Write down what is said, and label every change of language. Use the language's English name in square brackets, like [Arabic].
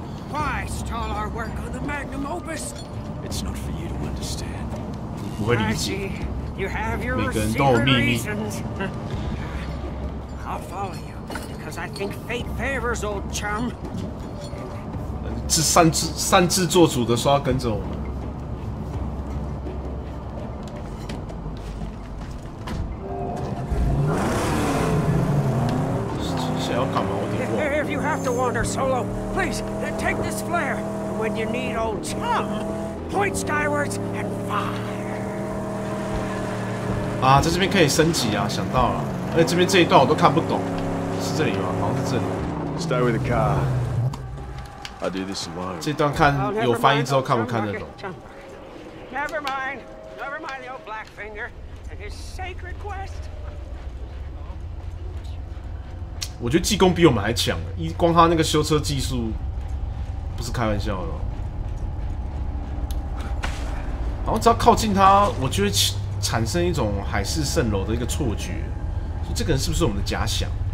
[English] Why stall our work on the Magnum Opus? It's not for you to understand. [Chinese] 不会理解。 [English] You have your secret reasons. I'll follow you because I think fate favors old chum. [Chinese] 是擅自做主的说要跟着我们。想要干嘛？我听不懂。 [English] If you have to wander solo, please take this flare. When you need old chum, point skywards and fire. [Chinese] 啊，在这边可以升级啊！想到了，而且这边这一段我都看不懂，是这里吗？好像是这里。 [English] Stay with the car. [Chinese] 这段看有翻译之后看不看得懂 [English] ？Never mind, never mind the old black finger and his sacred quest. [Chinese] 我觉得技工比我们还强，一光他那个修车技术，不是开玩笑的。然后只要靠近他，我就会产生一种海市蜃楼的一个错觉，这个人是不是我们的假想？